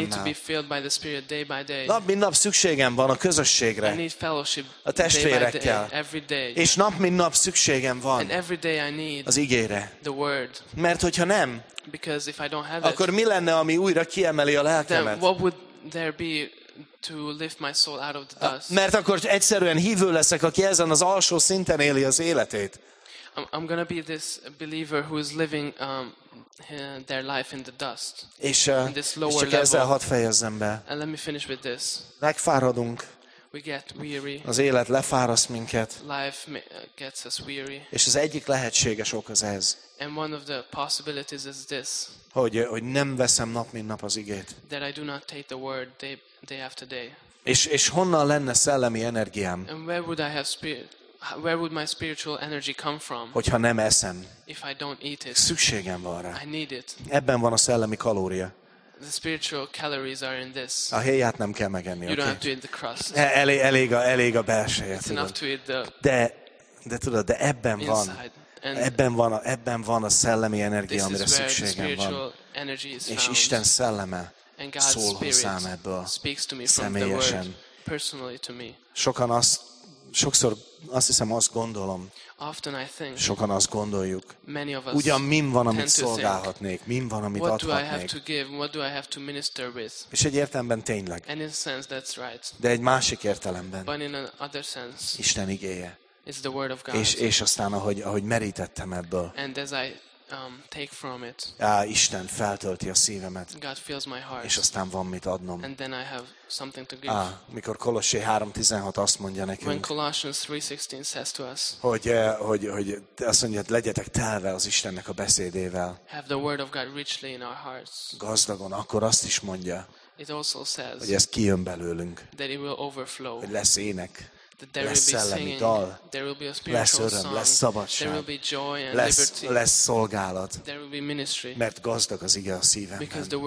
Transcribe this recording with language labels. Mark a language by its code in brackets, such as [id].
[en] I need to be filled by the Spirit day by day. [hu] Nap mint nap szükségem van a közösségre. [en] I need fellowship [hu] a testvérekkel. [en] Day by day, every day. [hu] És nap mint nap szükségem van [en] and every day I need [hu] az igére. [en] The word. [hu] Mert hogyha nem, [en] because if I don't have [hu] akkor [en] it, [hu] mi lenne, ami újra kiemeli a lelkemet? [en] Then what would there be to lift my soul out of the dust? [hu] Mert akkor egyszerűen hívő leszek, aki ezen az alsó szinten éli az életét. [en] I'm gonna be this believer who is living their life in the dust. In this lower level. [hu] És ezzel hadd fejezzem be. [en] And let me finish with this. [hu] Megfáradunk. [en] We get weary. [hu] Az élet lefáraszt minket. [en] Life gets us weary. [hu] És az egyik lehetséges ok az ez. [en] And one of the possibilities is this. [hu] Hogy nem veszem nap mint nap az igét. [en] That I do not take the word day after day. [hu] És honnan lenne szellemi energiám? [en] And where would I have spirit? Where would my spiritual energy come from? [hu] Hogyha nem eszem. [en] If I don't eat it. [hu] Szükségem van rá. [en] I need it. [hu] Ebben van a szellemi kalória. [en] The spiritual calories are in this. [hu] A héját nem kell megenni. [en] You don't have to eat the crust. [hu] Elég a belsejét. [en] It's enough to eat the. [hu] De tudod, de ebben [en] inside. [hu] Van. Ebben van a szellemi energia, amire szükségem van. És Isten szelleme szól hozzám ebből személyesen. [en] Personally to me. [hu] Sokszor azt gondolom, [en] often I think, [hu] sokan azt gondoljuk, [en] many of us [hu] ugyan min van, amit szolgálhatnék, min van, amit [en] what [hu] adhatnék. [en] Do I have to give, what do I have to minister with? [hu] És egy értelemben tényleg. [en] And in a sense, that's right. [hu] De egy másik értelemben. [en] But in another sense, [hu] Isten igéje. [en] It's the word of God. [hu] És aztán, ahogy merítettem ebből. [en] And as I take from it. [hu] Isten feltölti a szívemet. [en] God fills my heart. [hu] És aztán van mit adnom. [en] And then I have something to give. [hu] Mikor Kolossé 3:16 azt mondja nekünk. [en] When Colossians 3:16 says to us. [hu] Hogy azt mondja, hogy legyetek telve az Istennek a beszédével. [en] Have the word of God richly in our hearts. [hu] Gazdagon, akkor azt is mondja. [en] It also says. [hu] Hogy ez kijön belőlünk. [en] That it will overflow. [hu] Hogy lesz ének. Lesz szellemi dal, lesz öröm, lesz szabadság, lesz szolgálat, mert gazdag az ige a szívemben.